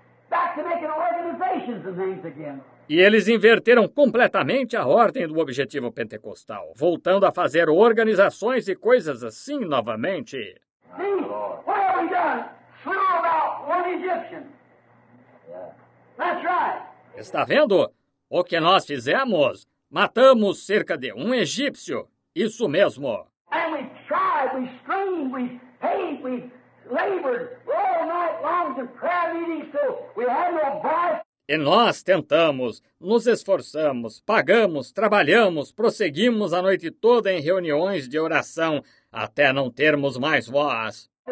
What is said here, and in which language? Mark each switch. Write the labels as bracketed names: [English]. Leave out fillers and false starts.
[English] Back to making organizations and things again. [Portuguese] E eles inverteram completamente a ordem do objetivo pentecostal, voltando a fazer organizações e coisas assim novamente. [English] What have we done? Slew about one Egyptian. That's right. [Portuguese] Está vendo? O que nós fizemos? Matamos cerca de um egípcio. Isso mesmo. [English] And we tried, we strained, we paid, we labored all night long to crab eating, so we had no voice. [Portuguese] E nós tentamos, nos esforçamos, pagamos, trabalhamos, prosseguimos a noite toda em reuniões de oração, até não termos mais voz.